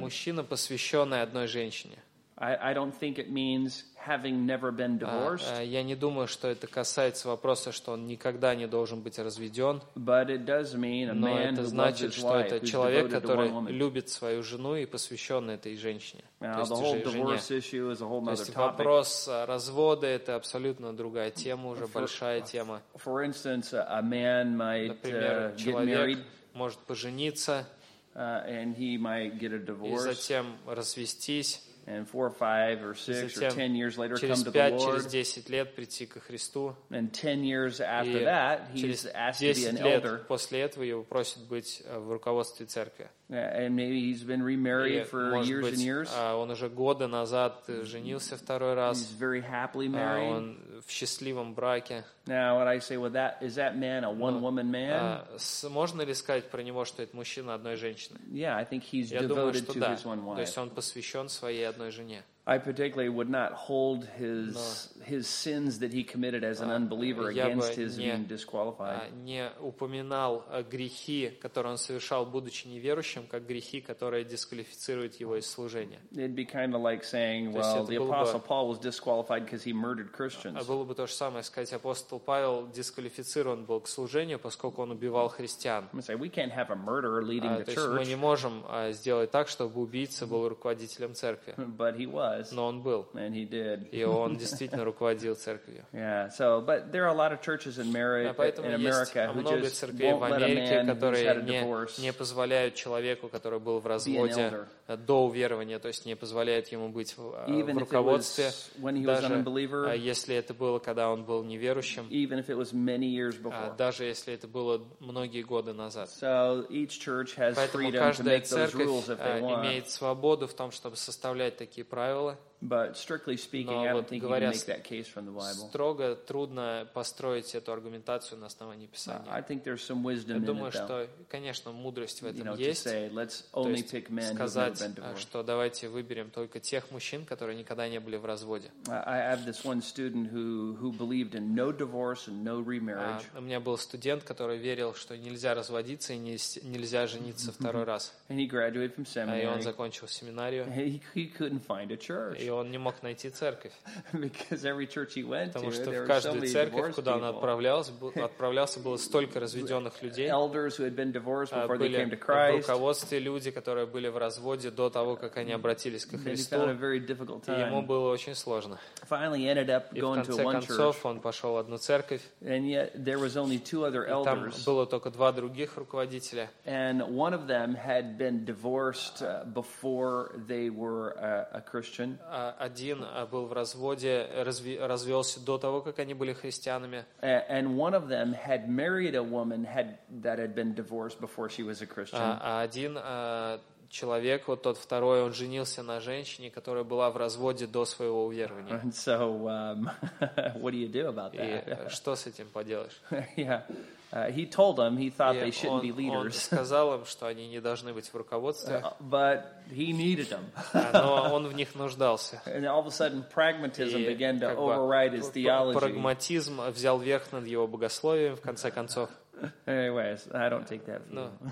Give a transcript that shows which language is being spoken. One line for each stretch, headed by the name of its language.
Russian: Мужчина, посвященный одной женщине.
English: I don't think it means having never been divorced.
Russian: Я не думаю, что это касается вопроса, что он никогда не должен быть разведен.
English: But it does mean a man who loves his wife,
Russian: что это человек, который любит свою жену и посвящен этой женщине. То есть вопрос развода – это абсолютно другая тема, уже большая тема.
English: For instance, a man might get married.
Russian: Может пожениться.
English: And he might get a divorce.
Russian: И затем развестись.
English: And 4, 5, or 6, or 10 years later, come to the Lord.
Russian: Через 10 лет прийти ко Христу.
English: And 10 years after that, he's asked to be an elder.
Russian: После этого его просят быть в руководстве церкви.
English: And maybe he's been remarried for years and years.
Russian: Он уже годы назад женился второй раз.
English: He's very happily married.
Russian: Он в счастливом браке.
English: Now, what I say with that is that man a one-woman man?
Russian: Можно ли сказать про него, что это мужчина одной женщины?
English: Yeah, I think he's devoted to his one wife.
Russian: То есть он посвящен своей одной жене.
English: I particularly would not hold his sins that he committed as an unbeliever against his being disqualified.
Russian: Не упоминал грехи, которые он совершал, будучи неверующим, как грехи, которые дисквалифицируют его из служения.
English: It'd be kind of like saying, well, the apostle Paul was disqualified because he murdered Christians.
Russian: Было бы то же самое сказать, апостол Павел дисквалифицирован был к служению, поскольку он убивал христиан.
English: We can't have a murderer leading the church.
Russian: Мы не можем сделать так, чтобы убийца был руководителем церкви.
English: But he was.
Russian: Но он был.
English: And he did.
Russian: И он действительно руководил церковью.
English: Yeah. So, but there are a lot of churches in America. In America,
Russian: много церквей в Америке, которые не позволяют человеку, который был в разводе до уверования, то есть не позволяют ему быть в руководстве, даже если это было, когда он был неверующим.
English: Even if it was many years before.
Russian: Даже если это было многие годы назад.
English: So each church has freedom to make those rules if they want.
Russian: Поэтому имеет свободу в том, чтобы составлять такие правила.
English: But strictly speaking,
Russian: Но
English: I don't think you can make that case from the Bible.
Russian: Строго трудно построить эту аргументацию на основании Писания.
English: I think there's some wisdom in it, though.
Russian: Я думаю, что, конечно, мудрость в этом есть.
English: To say, let's only pick men who've never been divorced.
Russian: Сказать, что давайте выберем только тех мужчин, которые никогда не были в разводе.
English: I have this one student who believed in no divorce and no remarriage.
Russian: У меня был студент, который верил, что нельзя разводиться и нельзя жениться второй раз.
English: And he graduated from seminary.
Russian: И он закончил семинарию.
English: He couldn't find a church.
Russian: И он не мог найти церковь.
English: Because every church he went
Russian: Потому
English: to,
Russian: что
English: there
Russian: в каждую
English: so
Russian: церковь, куда он отправлялся, было столько разведенных людей.
English: Elders who had been divorced before
Russian: были
English: they came to Christ.
Russian: В руководстве люди, которые были в разводе до того, как они обратились ко Христу.
English: And he found a very difficult time.
Russian: И ему было очень сложно.
English: Finally ended up going to one church.
Russian: И в конце концов он пошел в одну церковь.
English: And yet there was only two other elders.
Russian: И там было только два других руководителя.
English: And one of them had been divorced before they were a Christian.
Russian: Один был в разводе, развелся до того, как они были христианами.
English: And one of them had married a woman that had been divorced before she was a Christian.
Russian: А один человек, вот тот второй, он женился на женщине, которая была в разводе до своего уверования.
English: And so, what do you do about that?
Russian: И что с этим поделаешь?
English: Yeah. He told them he thought they shouldn't be leaders.
Russian: Он сказал им, что они не должны быть в руководстве.
English: But he needed them.
Russian: Но он в них нуждался.
English: And all of a sudden pragmatism began to override his theology.
Russian: Прагматизм взял верх над его богословием в конце концов.
English: Anyways, I don't take that view.